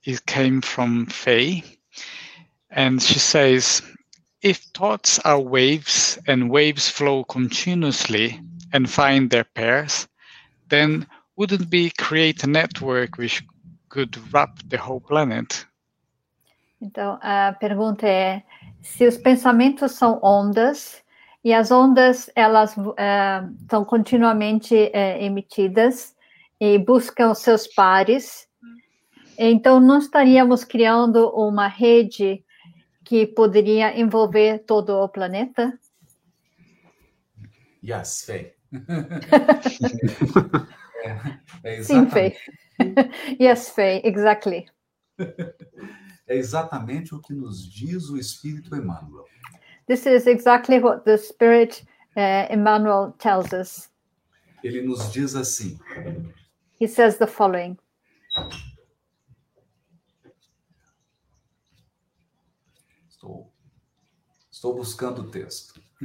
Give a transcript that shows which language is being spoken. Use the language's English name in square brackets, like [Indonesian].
[English] It came from Faye, and she says, if thoughts are waves and waves flow continuously and find their pairs, then wouldn't we create a network which could wrap the whole planet? [Portuguese] Então, a pergunta é, se os pensamentos são ondas, e as ondas, elas estão continuamente emitidas e buscam seus pares. Então, não estaríamos criando uma rede que poderia envolver todo o planeta? [English] Yes, Fê. [Portuguese] Sim, Fê. [English] Yes, Fê, exactly. [Portuguese] É exatamente o que nos diz o Espírito Emmanuel. [English] This is exactly what the Spirit Emmanuel tells us. [Portuguese] Ele nos diz assim. [English] He says the following. [Portuguese] Estou buscando o texto.